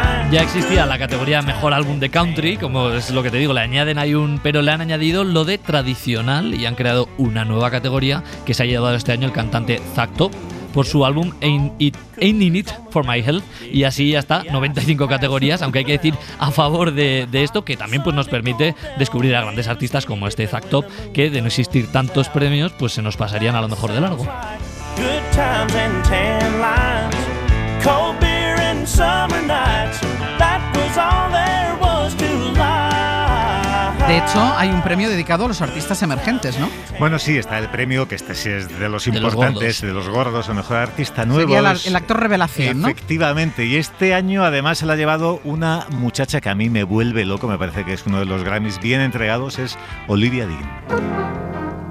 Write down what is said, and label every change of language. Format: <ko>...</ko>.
<es>Ya existía la categoría mejor álbum de country, como es lo que te digo, le añaden ahí un, pero le han añadido lo de tradicional y han creado una nueva categoría que se ha llevado este año el cantante Zach Top por su álbum Ain't In It For My Health, y así ya está, 95 categorías, aunque hay que decir a favor de esto, que también pues nos permite descubrir a grandes artistas como este Zach Top, que de no existir tantos premios pues se nos pasarían a lo mejor de largo.</es> <en>Good times and ten lines, cold beer and summer nights.</en> <es>De hecho, hay un premio dedicado a los artistas emergentes, ¿no? Bueno, sí, está el premio, que este sí es de los importantes, de los gordos, el mejor artista nuevo. Sería el actor revelación, ¿no? Efectivamente, y este año además se la ha llevado una muchacha que a mí me vuelve loco, me parece que es uno de los Grammys bien entregados, es Olivia Dean.</es>